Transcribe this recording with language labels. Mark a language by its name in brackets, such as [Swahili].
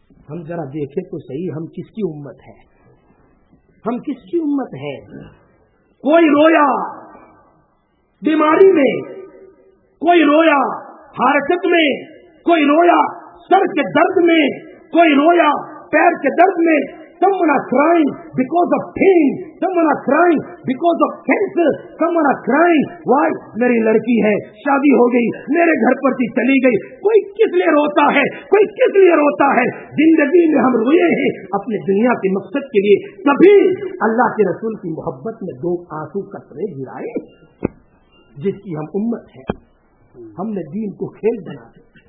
[Urdu] ہم ذرا دیکھیں تو صحیح ہم کس کی امت ہے, ہم کس کی امت ہے. کوئی رویا بیماری میں, کوئی رویا حرکت میں, کوئی رویا سر کے درد میں, کوئی رویا پیر کے درد میں. [English] Someone are crying because of pain, someone are crying because of cancer, someone are crying, why? [Urdu] میری لڑکی ہے شادی ہو گئی, میرے گھر پر سے چلی گئی. کوئی کس لیے روتا ہے, کوئی کس لیے روتا ہے؟ زندگی میں ہم روئے ہیں اپنے دنیا کے مقصد کے لیے, کبھی اللہ کے رسول کی محبت میں دو آنسو قطرے گرائے؟ جس کی ہم امت ہے ہم نے دین کو کھیل بنا دیا.